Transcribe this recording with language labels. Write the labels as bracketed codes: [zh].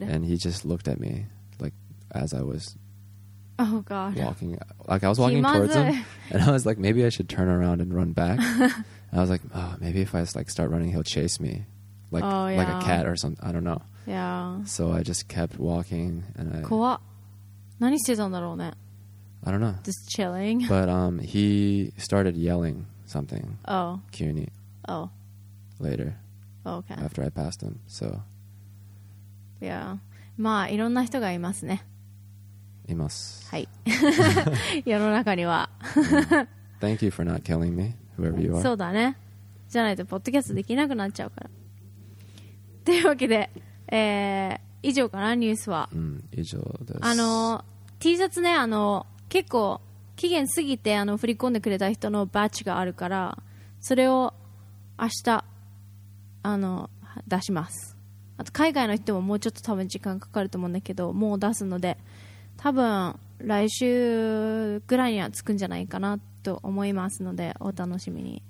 [en] And he just looked at me like as I was walking. Like I was walking towards him and I was like, maybe I should turn around and run back. And I was like, oh, maybe if I like start running, he'll chase me like a cat or something. I don't know. Yeah. So I just kept walking and I... [ja] 怖っ。何してたんだろうね? [en] I don't know. Just chilling. But he started yelling. Something. Oh. CUNY. Oh. Later. Oh, okay. After I passed him, so. Yeah. [ja] まあ、いろんな人がいますね. います. はい.世の中には. [en] Thank you for not killing me, whoever you are. [ja] そうだね. じゃないと、ポッドキャストできなくなっちゃうから.というわけで、 以上かな? ニュースは。以上です. T シャツね、 結構 期限過ぎて振り込んでくれた人のバッジがあるから、それを明日出します。あと海外の人ももうちょっと多分時間かかると思うんだけど、もう出すので、多分来週ぐらいには着くんじゃないかなと思いますので、お楽しみに。